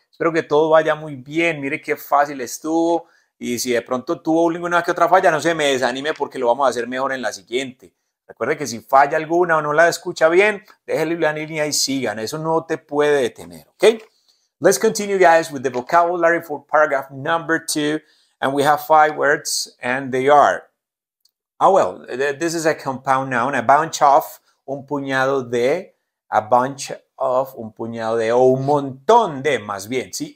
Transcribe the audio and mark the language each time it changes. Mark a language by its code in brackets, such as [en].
[es] Espero que todo vaya muy bien. Mire qué fácil estuvo. Y si de pronto tuvo alguna que otra falla, no se me desanime porque lo vamos a hacer mejor en la siguiente. Recuerde que si falla alguna o no la escucha bien, déjenle la línea y sigan. Eso no te puede detener. Ok. [en] Let's continue, guys, with the vocabulary for paragraph number 2. And we have 5 words, and they are. Oh, well, this is a compound noun, a bunch of, [es] un puñado de, [en] a bunch of, un puñado de, [es] o un montón de, más bien, ¿sí?